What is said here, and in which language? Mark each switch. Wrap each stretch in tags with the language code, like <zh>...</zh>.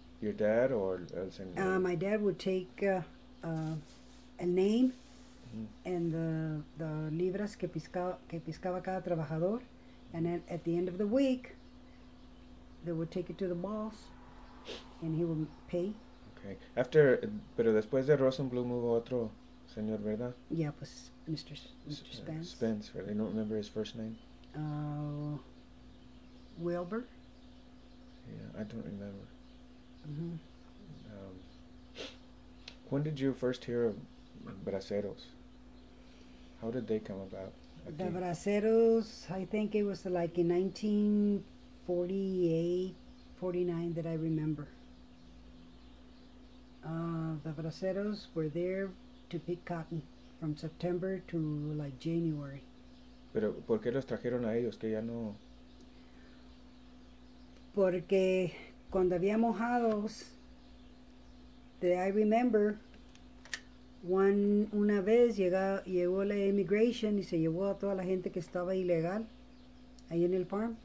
<en>¿Your dad or</en> <es>el señor?</es> <en>My dad would take a name and the</en> <es>libras que piscaba cada trabajador,</es> <en>and then at the end of the week, They would take it to the boss, and he would pay. Okay. After,</en> <es>pero después de Rosenblum hubo otro señor, ¿verdad?</es> <en>Yeah, it was Mr. Spence. Spence, right? I don't remember his first name. Wilbur. Yeah, I don't remember. Mm-hmm. When did you first hear of braceros? How did they come about? The braceros, I think it was like in 1948, 49 that I remember. The braceros were there to pick cotton from September to like January.</en> <es>Pero ¿por qué los trajeron a ellos? Que ya no. Porque cuando había mojados,</es> <en>that I remember.</en> <es>Una vez llegó la immigration y se llevó a toda la gente que estaba ilegal ahí en el farm.</es>